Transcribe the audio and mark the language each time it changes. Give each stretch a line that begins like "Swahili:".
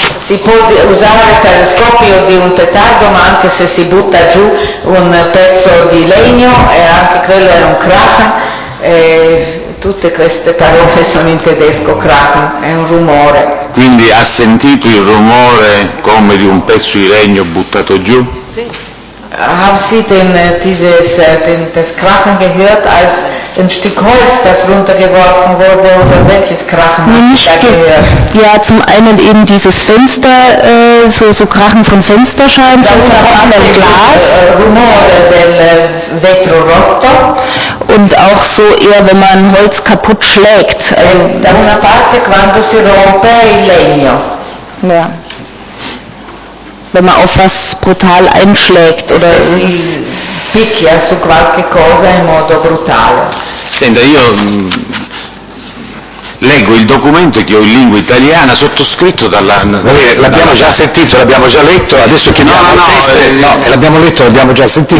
Italian: Si può usare per lo scoppio di un petardo, ma anche se si butta giù un pezzo di legno, e anche quello è un krachen. Tutte queste parole sono in tedesco, krachen, è un rumore. Quindi ha sentito il rumore come di un pezzo di legno buttato giù? Sì.
German: Hab sie denn dieses das Krachen gehört als ein Stück Holz das runtergeworfen wurde oder welches Krachen? Ja, zum einen eben dieses Fenster so Krachen von Fensterscheiben, von zerbrochenem Glas.
Italian: Rumore del vetro rotto.
German: Und auch so eher, wenn man Holz kaputt schlägt.
Italian: Da una parte quando si rompe il legno.
German: Ja. Wenn man auf was brutal einschlägt oder
Italian: picchia su qualche cosa in modo brutale. Senta, io leggo il documento che ho in lingua italiana sottoscritto dalla. L'abbiamo già sentito, l'abbiamo già letto, adesso chiediamo il testo. No, l'abbiamo letto, l'abbiamo già sentito.